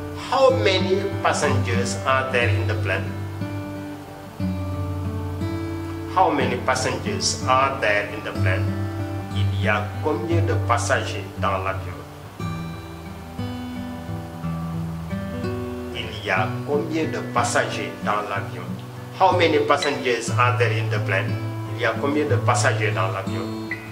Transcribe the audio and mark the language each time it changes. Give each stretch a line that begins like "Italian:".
English: How many passengers are there in the plane? How many passengers are there in the plane?
French: Il y a combien de passagers dans l'avion? Il y a combien de passagers dans l'avion?
English: How many passengers are there in the plane?
French: Il y a combien de passagers dans l'avion?